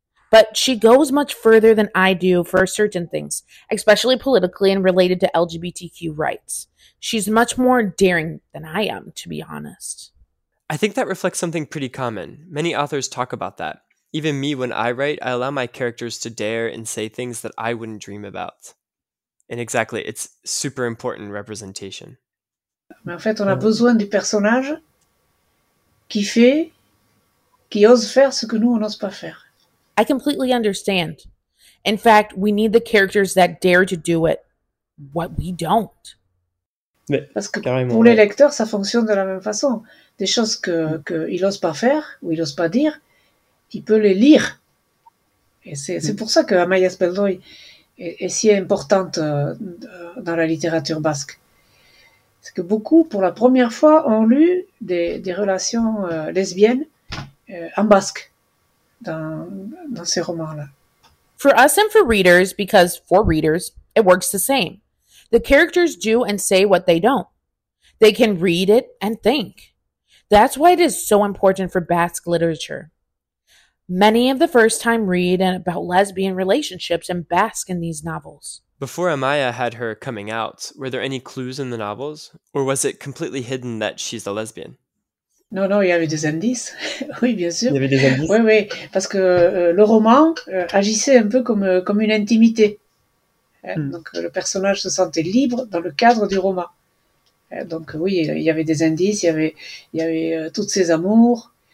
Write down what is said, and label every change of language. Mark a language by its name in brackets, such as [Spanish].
[English] But she goes much further than I do for certain things, especially politically and related to LGBTQ rights. She's much more daring than I am, to be honest. I think that reflects something pretty common. Many authors talk about that. Even me, when I write, I allow my characters to dare and say things that I wouldn't dream about. And exactly, it's super important representation. [French] Mais en fait, on a besoin du personnage qui fait, qui ose faire ce que nous, on n'ose pas faire. [English] I completely understand. In fact, we need the characters that dare to do it, what we don't. [French] Mais, parce que pour les lecteurs, ça fonctionne de la même façon. Des choses qu'il n'ose pas faire ou il n'ose pas dire, il peut les lire. Et c'est pour ça que Amaia Speldoy est si importante dans la littérature basque. C'est que beaucoup, pour la première fois, ont lu des relations lesbiennes en basque dans ces romans-là. [English] For us and for readers, because for readers, it works the same. The characters do and say what they don't. They can read it and think. That's why it is so important for Basque literature. Many of the first-time read and about lesbian relationships and Basque in these novels. Before Amaia had her coming out, were there any clues in the novels? Or was it completely hidden that she's a lesbian? [French] Non, non, il y avait des indices. Oui, bien sûr. Il y avait des indices. Oui, oui, parce que le roman agissait un peu comme une intimité. Donc le personnage se sentait libre dans le cadre du roman. Donc oui, il y avait des indices, il y avait toutes ses amours.